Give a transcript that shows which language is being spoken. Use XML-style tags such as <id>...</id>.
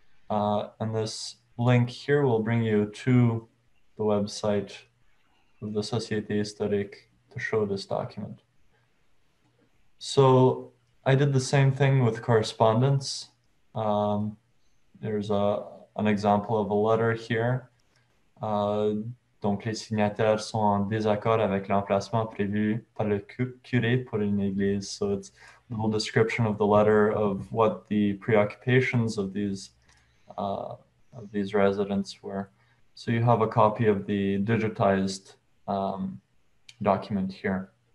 <en>And this link here will bring you to the website of the Société Historique to show this document. So I did the same thing with correspondence. There's an example of a letter here.</en> <fr>Donc les signataires sont en désaccord avec l'emplacement prévu par le curé pour une église.</fr> <en>So it's a little description of the letter of what the preoccupations of these residents were. So you have a copy of the digitized document here.</en>